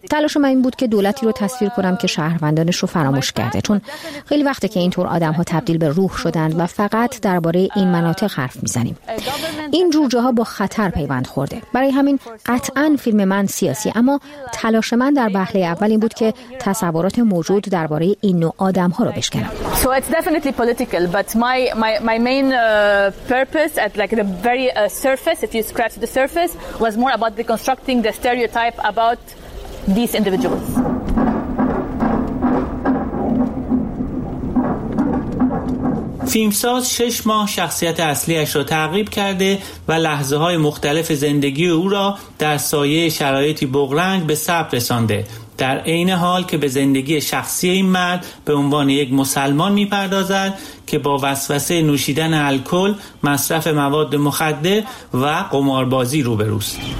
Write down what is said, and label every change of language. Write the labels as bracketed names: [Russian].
[Persian] تلاش من این بود که دولتی رو تصویر کنم که شهروندانش رو فراموش کرده، چون خیلی وقته که اینطور آدم ها تبدیل به روح شدند و فقط درباره این مناطق حرف میزنیم. این جور جاها با خطر پیوند خورده. برای همین قطعا فیلم من سیاسی، اما تلاش من در وهله اول این بود که تصورات موجود درباره این نوع آدم ها رو بشکنم. [English] So it's definitely political, but my main purpose at like the very surface, if you scratch the surface, was more about deconstructing the stereotype about these individuals. [Persian] فیلمساز 6 ماه شخصیت اصلیش را تعقیب کرده و لحظه های مختلف زندگی او را در سایه شرایطی بغرنگ به ثبت رسانده، در این حال که به زندگی شخصی این مرد به عنوان یک مسلمان می پردازد که با وسوسه نوشیدن الکل، مصرف مواد مخدر و قماربازی روبروست.